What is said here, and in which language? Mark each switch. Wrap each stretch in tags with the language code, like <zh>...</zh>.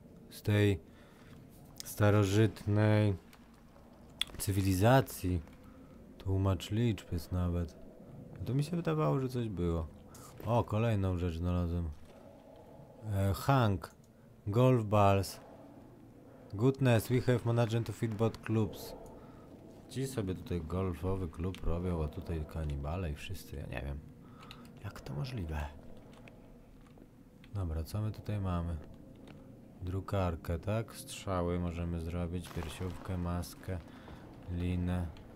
<pl>Z tej starożytnej cywilizacji. Tłumacz liczb jest nawet. No to mi się wydawało, że coś było. O, kolejną rzecz znalazłem.</pl> <en>Hank. Golf balls. Goodness, we have managed to feed both clubs.</en> <pl>Ci sobie tutaj golfowy klub robią, a tutaj kanibale i wszyscy, ja nie wiem. Jak to możliwe? Dobra, co my tutaj mamy? Drukarkę, tak? Strzały możemy zrobić, piersiówkę, maskę, linę.</pl>